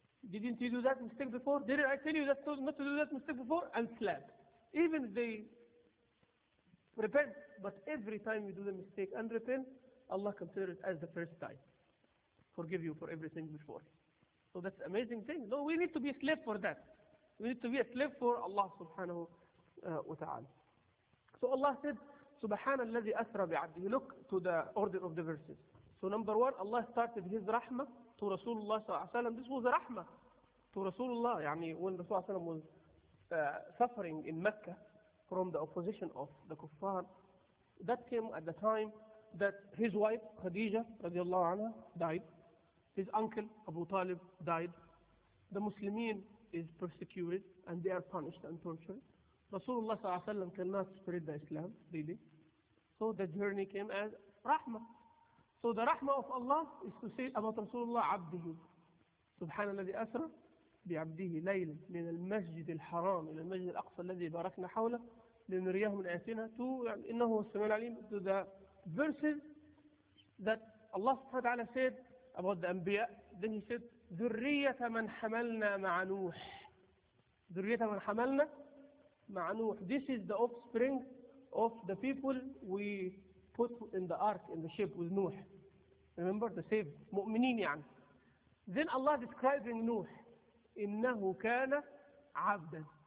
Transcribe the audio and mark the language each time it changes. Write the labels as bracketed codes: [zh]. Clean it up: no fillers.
[en] Didn't you do that mistake before? Didn't I tell you that not to do that mistake before? And slap. Even they repent, but every time you do the mistake and repent, Allah considers it as the first time. Forgive you for everything before. So that's an amazing thing. No, we need to be a slave for that. We need to be a slave for Allah subhanahu wa ta'ala. So Allah said, [ar] سبحان الذي أثرى بعبده. [en] Look to the order of the verses. So number one, Allah started His rahmah to Rasulullah صلى الله عليه وسلم. This was rahmah to Rasulullah. يعني when Rasulullah صلى الله عليه وسلم was suffering in Mecca from the opposition of the kuffar, that came at the time that his wife Khadija رضي الله عنها died, his uncle Abu Talib died, the Muslimin is persecuted and they are punished and tortured. Rasulullah صلى الله عليه وسلم cannot spread the Islam, really. So the journey came as rahmah. So the rahmah of Allah is to say about Rasulullah, عبده. [ar] سبحان الذي أسرى بعبده ليلا من المسجد الحرام إلى المسجد الأقصى الذي باركنا حوله لنريه من آياتنا. To, إنه السميع العليم. [en] To the verses that Allah سبحانه وتعالى said about the Anbiya. [ar] Then he said, ذرية من حملنا مع نوح. ذرية من حملنا مع نوح. [en] This is the offspring of the people we put in the ark, in the ship with Nuh. Remember the saved, مؤمنين يعني. Then Allah describing Nuh, [ar] إنه كان عبدا.